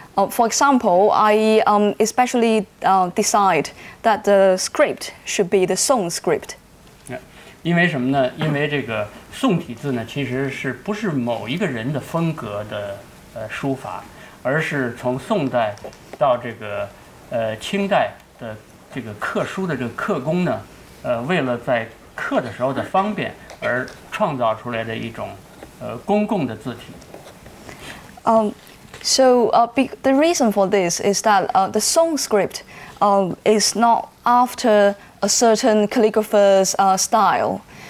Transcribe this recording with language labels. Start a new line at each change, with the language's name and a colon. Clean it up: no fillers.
English: For example, I especially decide that the script should be the Song script.
Chinese: Yeah. 因为什么呢？因为这个宋体字呢，其实是不是某一个人的风格的书法，而是从宋代到这个清代的这个刻书的这个刻工呢，为了在刻的时候的方便而创造出来的一种公共的字体。
English: The reason for this is that the Song script is not after a certain calligrapher's style.